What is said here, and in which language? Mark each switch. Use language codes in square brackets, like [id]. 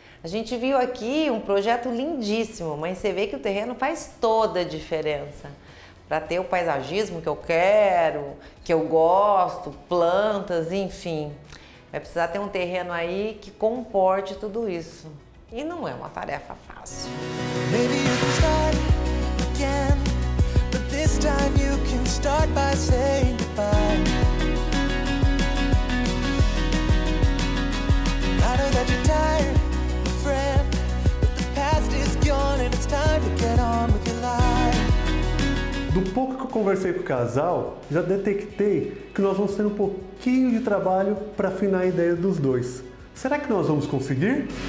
[pt] A gente viu aqui um projeto lindíssimo, mas você vê que o terreno faz toda a diferença. Para ter o paisagismo que eu quero, que eu gosto, plantas, enfim. Vai precisar ter um terreno aí que comporte tudo isso. E não é uma tarefa fácil. [en] Maybe you can try again, but this time you can start by saying goodbye. I know that you're tired, my friend, but the past is gone and it's time to get on with your life. [pt] Do pouco que eu conversei com o casal, já detectei que nós vamos ter um pouquinho de trabalho para afinar a ideia dos dois. Será que nós vamos conseguir?